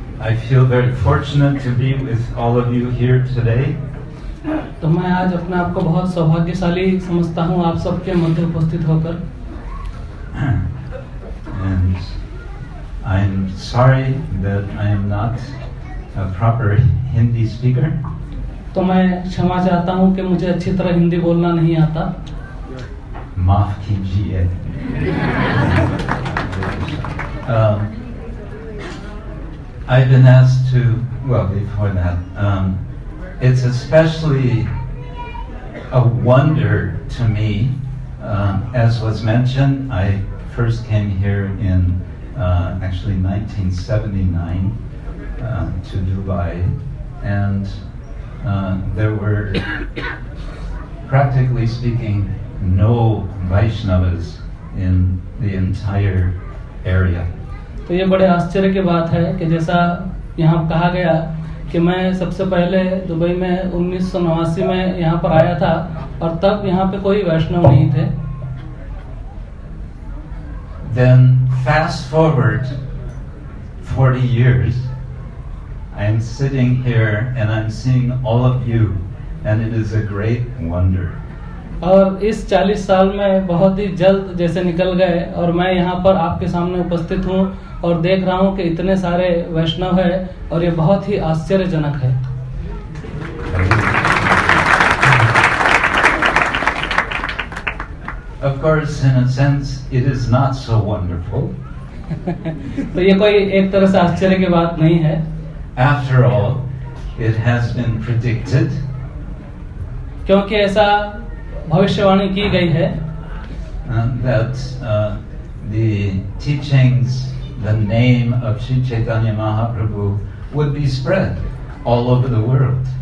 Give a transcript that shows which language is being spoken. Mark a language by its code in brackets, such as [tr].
[en] I feel very fortunate to be with all of you here today. [hi] तो मैं आज अपने आप को बहुत सौभाग्यशाली समझता हूँ आप सबके मध्य उपस्थित होकर। [en] And I'm sorry that I am not a proper Hindi speaker. [hi] तो मैं क्षमा चाहता हूँ कि मुझे अच्छी तरह हिंदी बोलना नहीं आता। माफ कीजिए। [en] I've been asked to, well, before that, it's especially a wonder to me, as was mentioned, I first came here in, actually, 1979 to Dubai, and there were, practically speaking, no Vaishnavas in the entire area. [hi] तो ये बड़े आश्चर्य की बात है कि जैसा यहाँ कहा गया कि मैं सबसे पहले दुबई में 1989 में यहाँ पर आया था और तब यहाँ पे कोई वैष्णव नहीं थे। [en] Then fast forward 40 years, I am sitting here and I'm seeing all of you, and it is a great wonder. [hi] और इस 40 साल में बहुत ही जल्द जैसे निकल गए और मैं यहाँ पर आपके सामने उपस्थित हूँ और देख रहा हूँ कि इतने सारे वैष्णव है और ये बहुत ही आश्चर्यजनक है। [en] Of course, in a sense, it is not so wonderful. [hi] तो ये कोई एक तरह से आश्चर्य की बात नहीं है। [en] After all, it has been predicted. [hi] क्योंकि ऐसा भविष्यवाणी की गई है [en] that the teachings, the name of Sri Chaitanya Mahaprabhu would be spread all over the world.